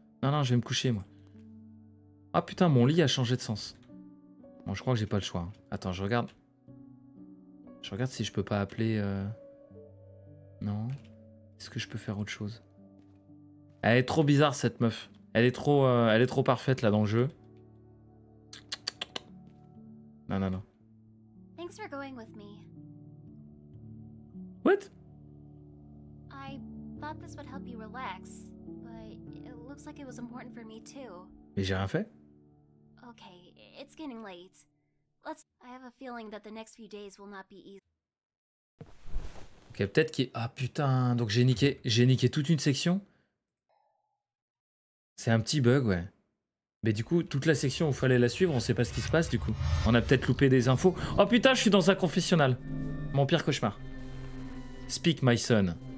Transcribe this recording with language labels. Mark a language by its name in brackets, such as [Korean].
[French] Non, non, je vais me coucher, moi. Ah, putain, mon lit a changé de sens. Bon, je crois que j'ai pas le choix. Attends, je regarde. Je regarde si je peux pas appeler... Non. Est-ce que je peux faire autre chose? Elle est trop bizarre, cette meuf. Elle est trop parfaite, là, dans le jeu. Non, non, non. [English] Thanks for going with me. What? I thought this would help you relax, but it looks like it was important for me too. [French] Mais j'ai rien fait. [English] Okay, it's getting late. I have a feeling that the next few days will not be easy. [French] Ok, peut-être qu'il... Ah putain, donc j'ai niqué toute une section. C'est un petit bug, ouais. Mais du coup, toute la section où il fallait la suivre, on sait pas ce qui se passe du coup. On a peut-être loupé des infos. Oh putain, je suis dans un confessionnal. Mon pire cauchemar. [English] Speak, my son.